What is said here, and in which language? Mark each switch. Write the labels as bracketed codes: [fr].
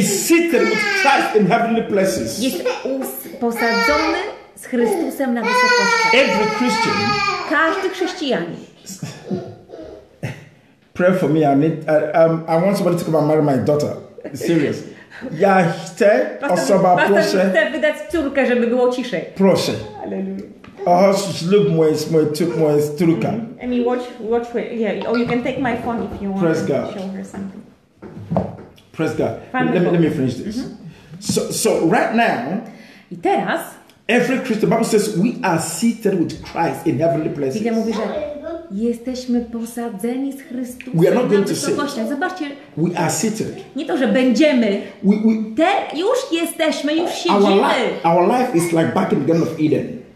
[en] Is seated with Christ in heavenly places. [pl] Jest posadzony z Chrystusem na wysokości. [en] Every Christian. [pl] Każdy chrześcijanin. [en] Pray for me. I want somebody to come and marry my daughter. Serious. [pl] Ja chcę osoba, proszę. Chcę wydać córkę, żeby było ciszej. Proszę. [en] Hallelujah. [pl] Oh, ślub moje córka. [en] Amy, watch. Yeah. Oh, you can take my phone if you want. Praise to God. Show her something. Praise God. Let me finish this. Mm-hmm. So right now. [pl] I teraz. [en] Every Christian, Bible says, we are seated with Christ in heavenly places. [pl] Biblia mówi, że jesteśmy posadzeni z Chrystusem na wysokościach. Zobaczcie, [en] we are seated. [pl] Nie to, że będziemy. [en] We [pl] już jesteśmy, już siedzimy. [en] Our life is like back in the Garden of Eden.